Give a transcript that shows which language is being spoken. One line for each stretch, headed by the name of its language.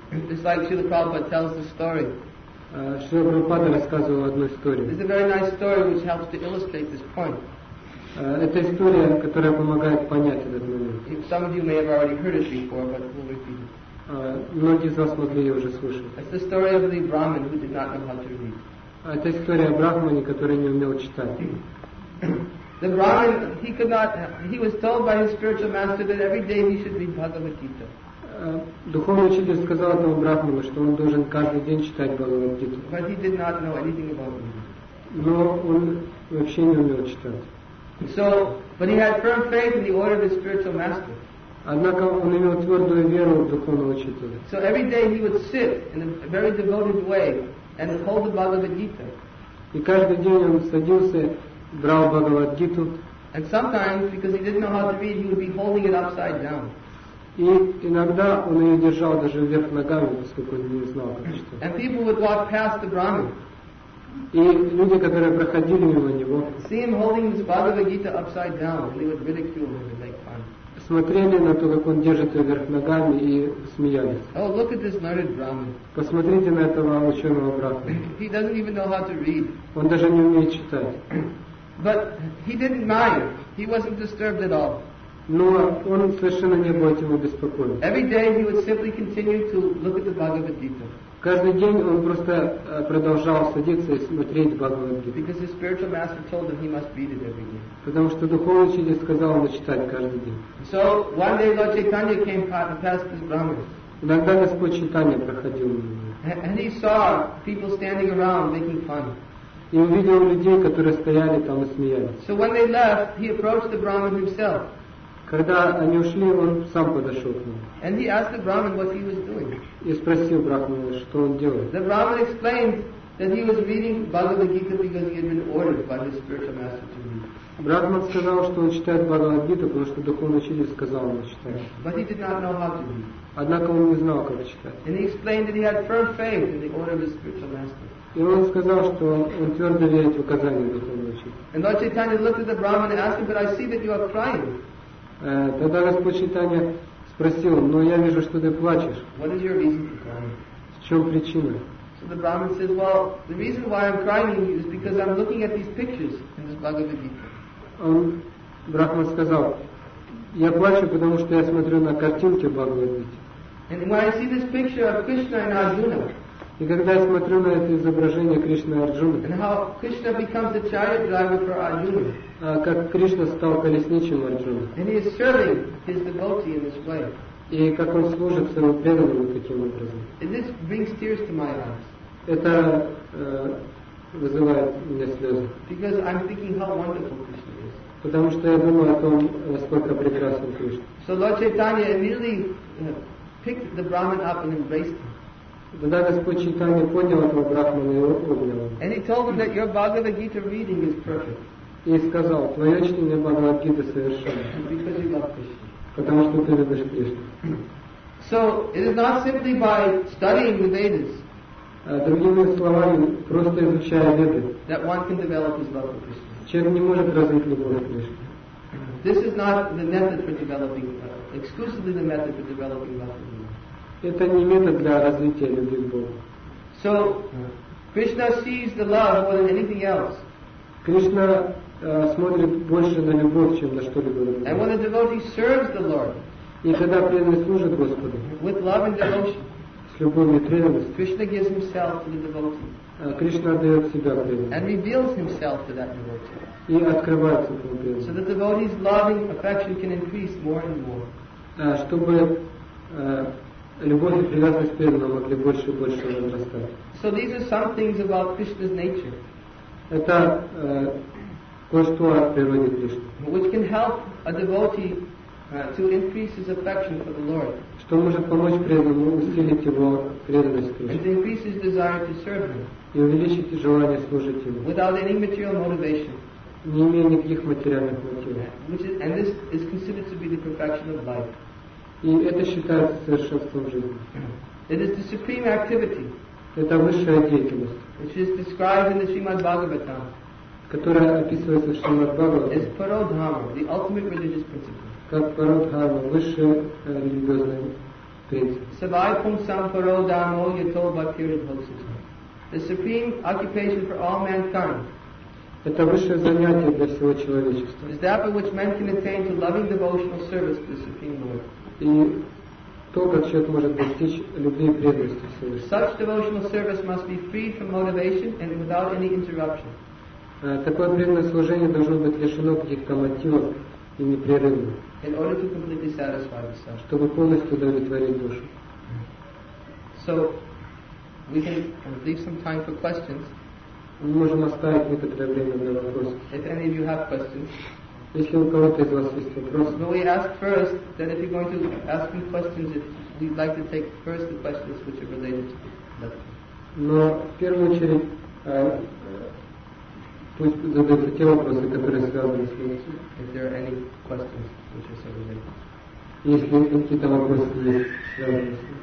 English: It's like Srila Prabhupada tells the story.
Russian: Srila Prabhupada рассказывал одну историю.
English: It's a very nice story which helps to illustrate this point.
Russian: Это история, которая помогает понять этот момент.
English: If some of you may have already heard it before, but we'll repeat it.
Russian: Многие из вас могли ее уже слышать.
English: It's the story of the Brahmin who did not know how to read.
Russian: Это история о Брахмане, который не умел читать.
English: The Brahmin, he could not. He was told by his spiritual master that every day he should read Bhagavad Gita.
Russian: Духовный учитель сказал этому Брахману, что он должен каждый день читать Бхагавад Гиту.
English: But he did not know anything about it.
Russian: Но он вообще не умел читать.
English: So, but he had firm faith in the order of his spiritual master.
Russian: Однако он имел твердую веру в духовного учителя.
English: So every day he would sit in a very devoted way and hold the Bhagavad Gita.
Russian: И каждый день он садился, брал Бхагавад Гиту.
English: And sometimes, because he didn't know how to read, he would be holding it upside down.
Russian: И иногда он ее держал даже вверх ногами, поскольку он не знал, как читать.
English: And people would walk past the Brahmin.
Russian: И люди, которые проходили мимо него,
English: see him holding his Bhagavad Gita upside down, and they would ridicule him and make fun.
Russian: Смотрели на то, как он держит ее вверх ногами, и смеялись.
English: Oh, look at this learned Brahmin.
Russian: Посмотрите на этого ученого Брахмана.
English: He doesn't even know how to read.
Russian: Он даже не умеет читать.
English: But he didn't mind. He wasn't disturbed at all.
Russian: Но он совершенно не был этим обеспокоен.
English: Every day he would simply continue to look at the Bhagavad Gita.
Russian: Каждый день он просто продолжал садиться и смотреть Бхагавад Гиту.
English: Because his spiritual master told him he must read it every day.
Russian: Потому что духовный учитель сказал ему читать каждый день.
English: So one day Lord Chaitanya came past this Brahmin.
Russian: Иногда Господь Чайтанья проходил мимо.
English: And he saw people standing around making fun.
Russian: И увидел людей, которые стояли там и смеялись.
English: So when they left, he approached the Brahmin himself.
Russian: Когда они ушли, он сам подошел к нему.
English: And he asked the Brahmin what he was doing.
Russian: И спросил Брахмана, что он делает.
English: The Brahmin explained that he was reading Bhagavad Gita because he had been ordered by his spiritual master to read.
Russian: Брахман сказал, что он читает Бхагавад Гиту, потому что духовный учитель сказал ему читать.
English: But he did not know how to read.
Russian: Однако он не знал, как читать.
English: And he explained that he had firm faith in the order of his spiritual master.
Russian: И он сказал, что он твердо верит в указания духовного учителя.
English: And Lord Chaitanya looked at the Brahmin and asked him, but I see that you are crying.
Russian: Тогда Господь Чайтанья спросил, но я вижу, что ты плачешь.
English: What is your reason for crying?
Russian: В чем причина?
English: So the Brahmin says, well, the reason why I'm crying is because I'm looking at these pictures in this Bhagavad Gita.
Russian: Он, Брахман сказал, я плачу, потому что я смотрю на картинки Бхагавад Гиты.
English: And when I see this picture of Krishna and Arjuna.
Russian: И когда я смотрю на это изображение Кришны и Арджуны.
English: And how Krishna becomes the chariot driver for Arjuna.
Russian: Как Кришна стал колесничим Арджуны.
English: And he is serving his devotee in this way.
Russian: И как он служит своему преданному таким образом.
English: And this brings tears to my eyes.
Russian: Это вызывает у меня слезы.
English: Because I'm thinking how wonderful Krishna is.
Russian: Потому что я думаю о том, насколько прекрасен Кришна.
English: So Lord Chaitanya immediately picked the Brahmin up and embraced him.
Russian: Тогда Господь Чайтанья поднял этого Брахмана и обнял.
English: And he told him that your Bhagavad Gita reading is perfect.
Russian: И сказал, твое чтение Бхагавад Гиты совершенно.
English: Because you love Krishna.
Russian: Потому что ты любишь Кришну.
English: So it is not simply by studying the Vedas.
Russian: Другими словами, просто изучая Веды.
English: That one can develop his love for Krishna.
Russian: Человек не может развить любовь к Кришне.
English: This is not the method for developing, exclusively the method for developing love for Krishna.
Russian: Это не метод для развития любви к Богу.
English: So, Krishna sees the love more than anything else.
Russian: Кришна смотрит больше на любовь, чем на что-либо другое.
English: And when a devotee serves the Lord,
Russian: и когда преданный служит Господу,
English: with love and devotion,
Russian: с любовью и преданностью,
English: Krishna gives himself to the devotee.
Russian: Кришна отдает себя преданному.
English: And reveals himself to that devotee.
Russian: И открывается этому преданному.
English: So the devotee's loving affection can increase more and more.
Russian: Чтобы любовь и привязанность к преданному могли больше и больше возрастать.
English: So these are some things about Krishna's nature.
Russian: Это кое-что о природе Кришны.
English: Which can help a devotee to increase his affection for the Lord.
Russian: Что может помочь преданному усилить его преданность к Кришне.
English: And increase his desire to serve him.
Russian: И увеличить желание служить ему.
English: Without any material motivation.
Russian: Не имея никаких материальных мотивов.
English: Which is, and this is considered to be the perfection of life.
Russian: И это считается совершенством жизни.
English: It is the supreme activity.
Russian: Это высшая деятельность.
English: Which is described in the Srimad Bhagavatam.
Russian: которая описывается в Шримад-Бхагаватам,
English: is Parodharma, the ultimate religious principle.
Russian: Как Парадхарма, высшая религиозная принцип.
Sanskrit: Savaipum sam Parodharmo yato bhaktiridhosita.
English: The supreme occupation for all mankind.
Russian: Это высшее занятие для всего человечества.
English: Is that by which men can attain to loving devotional service to the Supreme Lord.
Russian: И то, как человек может достичь любви и преданности Всевышнему.
English: Such devotional service must be free from motivation and without any interruption.
Russian: Такое преданное служение должно быть лишено каких-то мотивов и непрерывно.
English: In order to completely satisfy the self.
Russian: Чтобы полностью удовлетворить душу.
English: So, we can leave some time for questions.
Russian: Мы можем оставить некоторое время для вопросов.
English: If any of you have questions.
Russian: Если у кого-то из вас есть вопросы.
English: But we ask first, that if you're going to ask me questions, if we'd like to take first the questions which are related to that.
Russian: Но в первую очередь, пусть задаются те вопросы, которые связаны с ним.
English: If there are any questions which are related.
Russian: Если какие-то вопросы есть, связаны с ним.